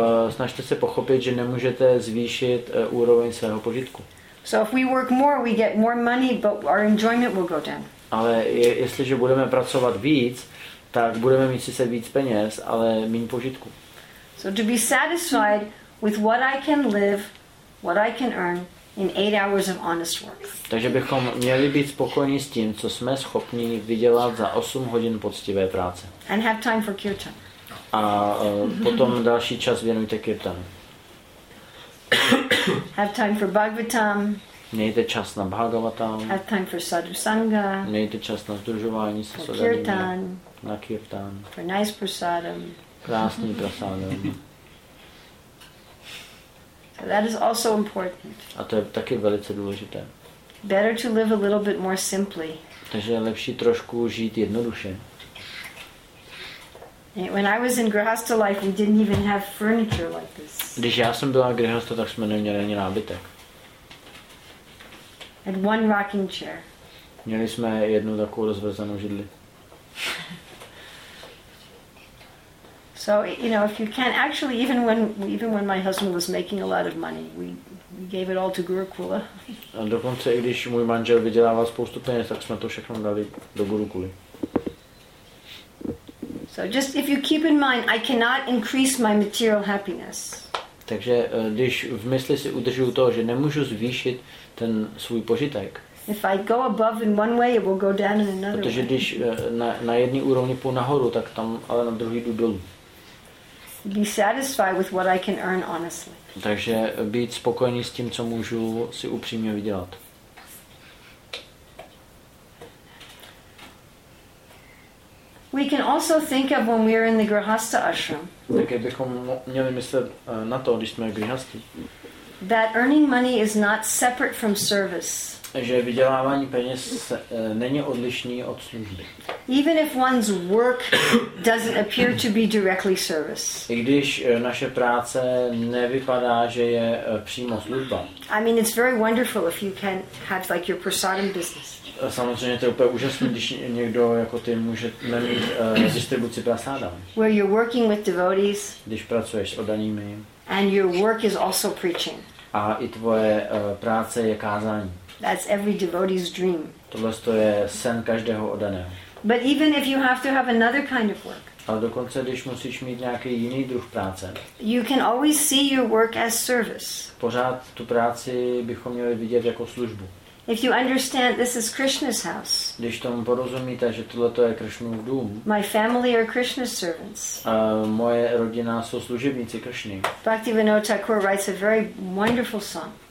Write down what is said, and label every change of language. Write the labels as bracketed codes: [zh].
[cs] Snažte se pochopit, že nemůžete zvýšit úroveň svého požitku. [en] So if we work more, we get more money, but our enjoyment will go down. [cs] Ale jestliže budeme pracovat víc, tak budeme mít sice víc peněz, ale méně požitku. [en] So to be satisfied with what I can live, what I can earn in 8 hours of honest work. [cs] Takže bychom měli být spokojeni s tím, co jsme schopni vydělat za 8 hodin poctivé práce. [en] And have time for kirtan. [cs] A potom další čas věnujte kirtanu. [en] Have time for bhagavatam. [cs] Mějte čas na Bhagavatam. [en] Have time for sadhu sangha. [cs] Mějte čas na sdružování se sadhu. [en] Kirtan. [cs] Na kirtan. [en] For nice prasadam. [cs] Krásný prasadam. [en] So that is also important. [cs] A to je taky velice důležité. [en] Better to live a little bit more simply. [cs] Takže je lepší trošku žít jednoduše. [en] When I was in grihastha life, we didn't even have furniture like this. [cs] Když já jsem byla grihastha, tak jsme neměli ani nábytek. [en] Had one rocking chair. [cs] Měli jsme jednu takovou rozvezanou židli. [en] So, you know, if you can actually even when my husband was making a lot of money, we gave it all to Gurukula. [cs] A dokonce i když můj manžel vydělával spoustu peněz, tak jsme to všechno dali do Gurukuly. [en] So just if you keep in mind, I cannot increase my material happiness. [cs] Takže když v mysli si udržuju to, že nemůžu zvýšit ten svůj požitek. [en] If I go above in one way, it will go down in another. [cs] Protože když na jedné úrovni půjdu nahoru, tak tam ale na druhý jdu dolů. [en] Be satisfied with what I can earn honestly. [cs] Takže být spokojený s tím, co můžu si upřímně vydělat. [en] We can also think of when we are in the grihastha ashram. [cs] Také bychom měli myslet na to, když jsme grihasti. [en] That earning money is not separate from service. [cs] Že vydělávání peněz není odlišný od služby. [en] Even if one's work doesn't appear to be directly service. [cs] I když naše práce nevypadá, že je přímo služba. [en] I mean, it's very wonderful if you can have like your prasadam business. [cs] Samozřejmě to je úplně úžasné, když někdo jako ty může mít distribuci prasadam. [en] Where you're working with devotees. [cs] Když pracuješ s oddanými. [en] And your work is also preaching. [cs] A i tvoje práce je kázání. [en] That's every devotee's dream. [cs] Tohle je sen každého oddaného. [en] But even if you have to have another kind of work. [cs] Ale dokonce když musíš mít nějaký jiný druh práce. [en] You can always see your work as service. [cs] Pořád tu práci bychom měli vidět jako službu. [en] If you understand, this is Krishna's house. [cs] Když tomu porozumíte, že tohle je Krishnův dům. [en] My family are Krishna's servants. [cs] Moje rodina jsou služebníci Krishny. [en] Bhaktivinoda Thakur writes a very wonderful song.